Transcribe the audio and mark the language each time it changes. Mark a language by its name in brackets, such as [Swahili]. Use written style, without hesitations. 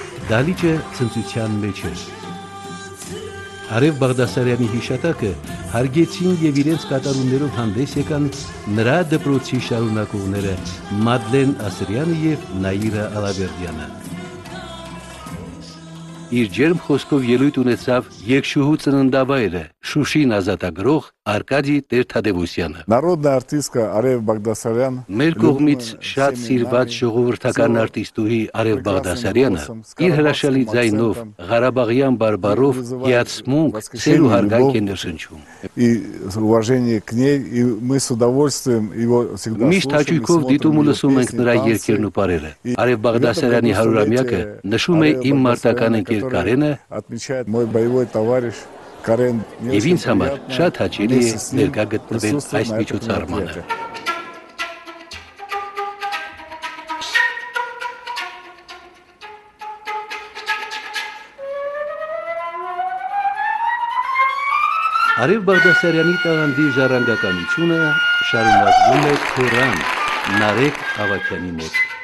[Armenian] Դալիճը ծնծության մեջ էր։ Արև Բաղդասարյանի հիշատակը հարգեցին և իրենց կատարումներով հանդես եկան նրա դպրոցի շարունակողները Մադլեն Ասրյանը և Նաիրա Ալավերդյանը։ Իր ջերմ խոսքով ելույթ ունեցավ Եկշուհու ծննդավայրը, Շուշին ազատագրող Արկադի Տեր-Թադևոսյանը։ [Russian] Նարոդնա արտիստկա Արև Բաղդասարյան։ [Armenian] Մեր կողմից շատ սիրված ժողովրդական արտիստուհի Արև Բաղդասարյանը իր հրաշալի ձայնով, Ղարաբաղյան բարբարով հիացմունք սերու հարգանք է ներշնչում։ [Russian] И уважение к ней, и мы с удовольствием его всегда слушаем. [Armenian] Միշտ հաճույքով դիտում ու լսում ենք նրա երգերն ու պարերը։ Արև Բաղդասարյանի 100-ամյակը նշում է իմ մարտական ընկեր Կարենը, [Russian] отмечает мой боевой товарищ Карен. [Armenian] Եվ ինձ համար շատ հաճելի է ներկա գտնվել այս միջոցառմանը։ Արև Բաղդասարյանի տաղանդի ժառանգականությունը շարունակվում է Թորան Նարեկ Ավաքյանի մոտ։